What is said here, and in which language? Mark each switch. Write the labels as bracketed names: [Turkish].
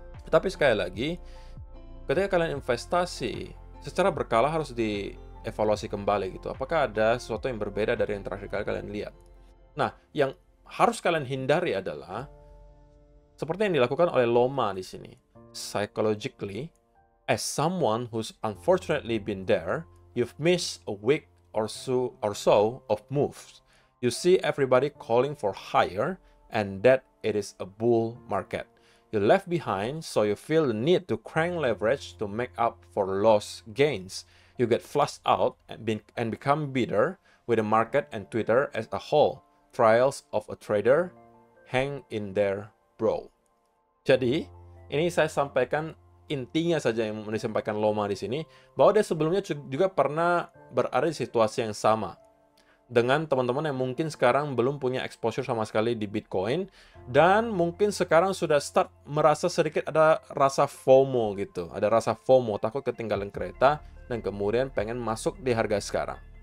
[Indonesian] Tapi sekali lagi, ketika kalian investasi, secara berkala harus dievaluasi kembali gitu. Apakah ada sesuatu yang berbeda dari yang terakhir kali kalian lihat? Nah, yang harus kalian hindari adalah seperti yang dilakukan oleh Loma di sini. [English] Psychologically, as someone who's unfortunately been there, you've missed a week or so of moves. You see everybody calling for higher and that it is a bull market. You left behind, so you feel the need to crank leverage to make up for lost gains. You get flushed out and become bitter with the market and Twitter as a whole. Trials of a trader, hang in there, bro. [Indonesian] Jadi, ini saya sampaikan intinya saja yang disampaikan Loma di sini, bahwa dia sebelumnya juga pernah berada di situasi yang sama dengan teman-teman yang mungkin sekarang belum punya exposure sama sekali di Bitcoin, dan mungkin sekarang sudah start merasa sedikit ada rasa FOMO gitu, ada rasa FOMO, takut ketinggalan kereta, dan kemudian pengen masuk di harga sekarang.